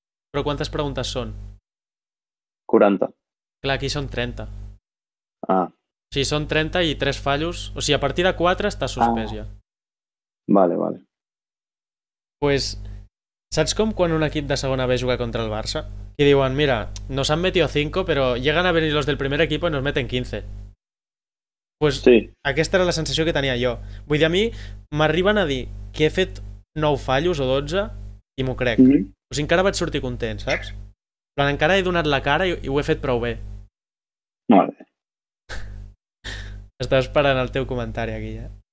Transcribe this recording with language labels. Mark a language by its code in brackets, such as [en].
[ca] Però quantes preguntes són? 40. Clar, aquí són 30. Ah. O sigui, són 30 i 3 fallos. O sigui, a partir de 4 està suspès ja. Vale, vale. Pues, saps com quan un equip de segona B juga contra el Barça? I diuen, mira, [es] nos han metido 5, però llegan a venir los del primer equipo y nos meten 15. [ca] Pues, sí. Aquesta era la sensació que tenia jo. Vull dir, a mi m'arriben a dir que he fet 9 fallos o 12 i m'ho crec. Mm-hmm. O sigui, encara vaig sortir content, saps? Però encara he donat la cara i ho he fet prou bé. Vale. Estava esperant el teu comentari aquí, eh?